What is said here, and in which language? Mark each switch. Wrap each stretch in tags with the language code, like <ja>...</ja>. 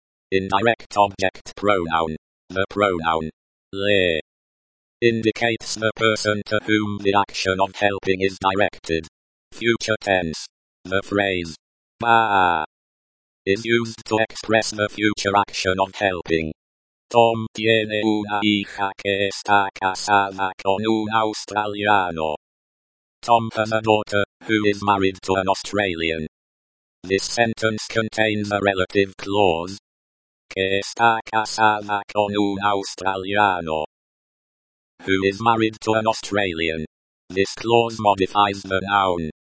<en>Indirect object pronoun. The pronoun.</en> <es>Le.</es> <en>Indicates the person to whom the action of helping is directed. Future tense. The phrase. Ba. Is used to express the future action of helping.</en> <es>Tom tiene una hija que está casada con un australiano.</es> <en>Tom has a daughter, who is married to an Australian. This sentence contains a relative clause.</en> <es>Que está casada con un australiano.</es> <en>Who is married to an Australian. This clause modifies the noun.</en>